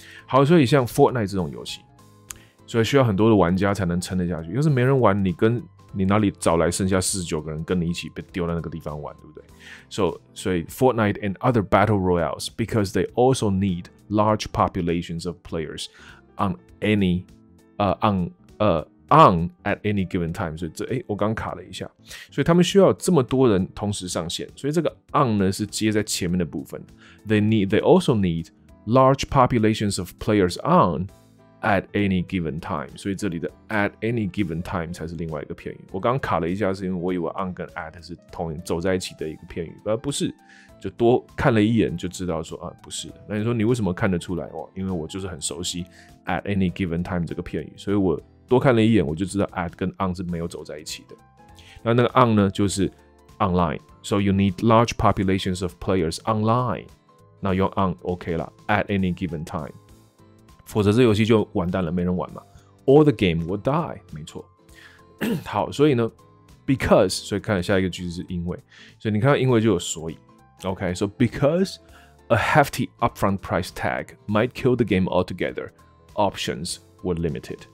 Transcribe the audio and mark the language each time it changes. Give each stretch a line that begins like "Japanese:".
Chinese: 好，所以像 Fortnite 这种游戏。所以需要很多的玩家才能撑得下去。要是没人玩，你哪里找来剩下49个人跟你一起被丢在那个地方玩，对不对 ？
English: So Fortnite and other battle royales, because they also need large populations of players on any, on at any given time.
Chinese: 所以这哎、欸，我刚卡了一下。所以他们需要这么多人同时上线。所以这个 on 呢是接在前面的部分。
English: They also need large populations of players on. At any given time，
Chinese: 所以这里的 at any given time 才是另外一个片语。我刚卡了一下，是因为我以为 on 跟 at 是同走在一起的一个片语，而不是。就多看了一眼就知道说啊，不是。那你说你为什么看得出来？哦，因为我就是很熟悉 at any given time 这个片语，所以我多看了一眼，我就知道 at 跟 on 是没有走在一起的。那个 on 呢，就是 online。
English: So you need large populations of players online。
Chinese: 那用 on OK 了 ，at any given time。否则这游戏就完蛋了，没人玩嘛。
English: All the game will die，
Chinese: 没错。好，所以呢 ，because， 所以看下一个句子是因为，所以你看到因为就有所以。
English: OK， so because a hefty upfront price tag might kill the game altogether， options were limited。